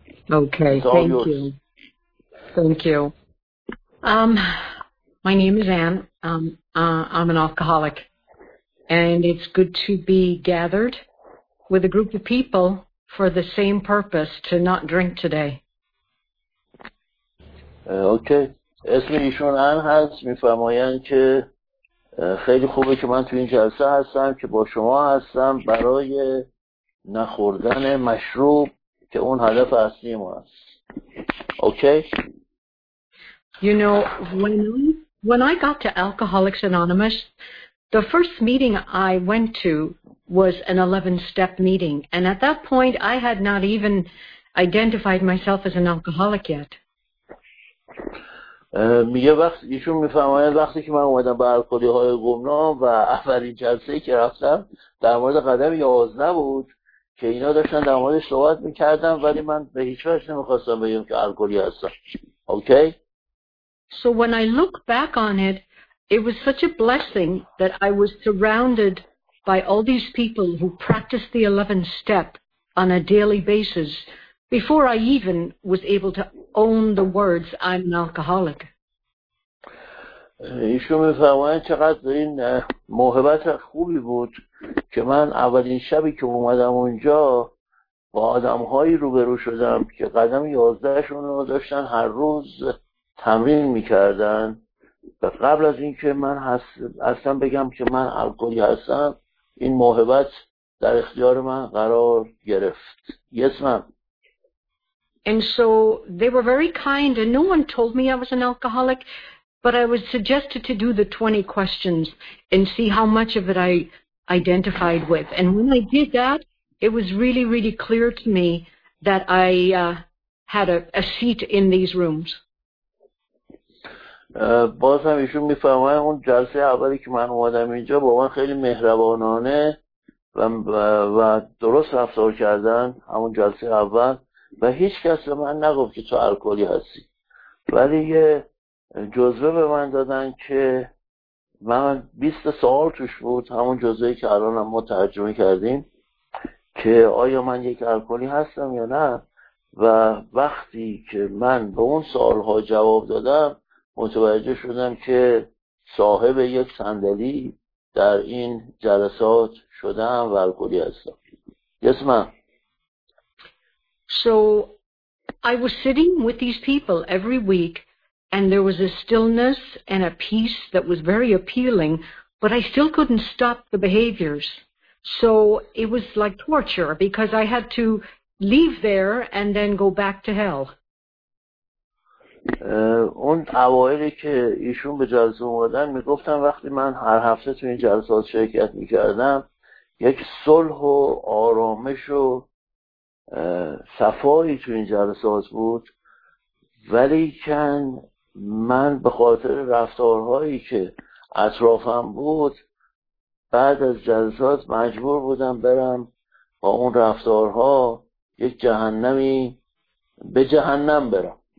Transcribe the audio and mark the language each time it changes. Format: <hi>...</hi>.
<en>Okay, thank you. Thank you. My name is Anne. I'm an alcoholic, and it's good to be gathered with a group of people for the same purpose, to not drink today.</en> <fa>اوکی اسم ایشون آن هست میفرمایند که خیلی خوبه که من تو این جلسه هستم که با شما هستم برای نخوردن مشروب که اون هدف اصلی ما است. اوکی</fa> <en>You know when I got to Alcoholics Anonymous, the first meeting I went to was an 11 step meeting, and at that point I had not even identified myself as an alcoholic yet.</en> <fa>میگه وقت ایشون میفرماید وقتی که من اومدم به الکلی های گمنام و اولین جلسه که رفتم در مورد قدم 11 بود که اینا داشتن در موردش صحبت میکردن ولی من به هیچ وجه نمیخواستم بگم که الکلی هستم. اوکی</fa> <en>So when I look back on it, it was such a blessing that I was surrounded by all these people who practiced the 11 step on a daily basis before I even was able to own the words I'm an alcoholic.</en> <fa>ایشون میفرماید چقدر این موهبت خوبی بود که من اولین شبی که اومدم اونجا با آدمهایی روبرو شدم که قدم 11شون رو داشتن هر روز تمرین میکردن و قبل از اینکه من اصلا بگم که من الکلی هستم این موهبت در اختیار من قرار گرفت.</fa> <en>Yes, ma'am. And so they were very kind, and no one told me I was an alcoholic, but I was suggested to do the 20 questions and see how much of it I identified with. And when I did that, it was really, really clear to me that I had a seat in these rooms.</en> <fa>باز هم ایشون میفرماید اون جلسه اولی که من اومدم اینجا با من خیلی مهربانانه و درست رفتار کردن همون جلسه اول و هیچ کس به من نگفت که تو الکلی هستی ولی یه جزوه به من دادن که من 20 سوال توش بود همون جزوهی که الان ما ترجمه کردیم که آیا من یک الکلی هستم یا نه و وقتی که من به اون سوالها جواب دادم متوجه شدم که صاحب یک صندلی در این جلسات شدم و الکلی هستم.</fa> <en>Yes, ma'am. So I was sitting with these people every week and there was a stillness and a peace that was very appealing, but I still couldn't stop the behaviors. So it was like torture because I had to leave there and then go back to hell.</en> <fa>اون اوائلی که ایشون به جلسه اومدن میگفتن وقتی من هر هفته تو این جلسات شرکت میکردم یک صلح و آرامش و صفایی تو این جلسات بود ولیکن من به خاطر رفتارهایی که اطرافم بود بعد از جلسات مجبور بودم برم با اون رفتارها یک جهنمی به جهنم برم.</fa>